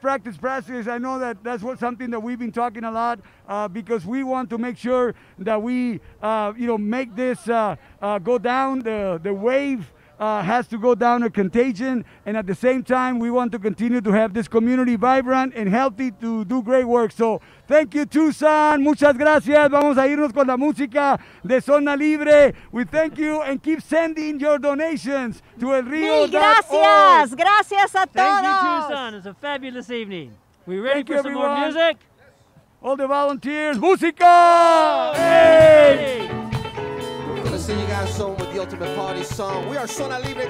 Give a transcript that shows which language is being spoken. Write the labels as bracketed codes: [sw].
[en] I know that that's what something that we've been talking a lot because we want to make sure that we, you know, make this go down. The wave has to go down, a contagion. And at the same time, we want to continue to have this community vibrant and healthy to do great work. So thank you, Tucson. [es] Muchas gracias. Vamos a irnos con la música de Zona Libre. [en] We thank you and keep sending your donations to ElRio.org. [es] Gracias. Gracias a todos. [en] Thank you, Tucson. It's a fabulous evening. We ready thank for you, some everyone. More music? All the volunteers, [es] música. [en] Oh, hey. We're going to sing you guys a song with the ultimate party song. We are Zona Libre.